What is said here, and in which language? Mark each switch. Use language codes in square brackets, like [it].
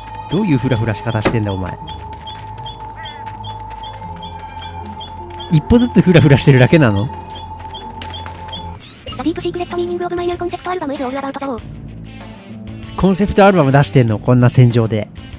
[ja] どういうフラフラし方してんだお前。一歩ずつフラフラしてるだけなの？ [en] The deep secret meaning of my new concept album is all about the war。 [ja] コンセプトアルバム出してんのこんな戦場で。